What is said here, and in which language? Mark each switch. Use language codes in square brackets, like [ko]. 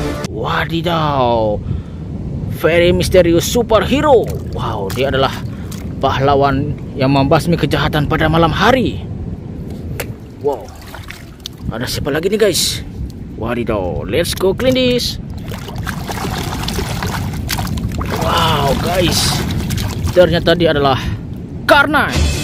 [en] Wadidaw, very mysterious superhero. [id] Wow, dia adalah pahlawan yang membasmi kejahatan pada malam hari. Wow, ada siapa lagi nih guys? [en] Wadidaw, let's go clean this. [id] Wow guys, ternyata dia adalah Carnage.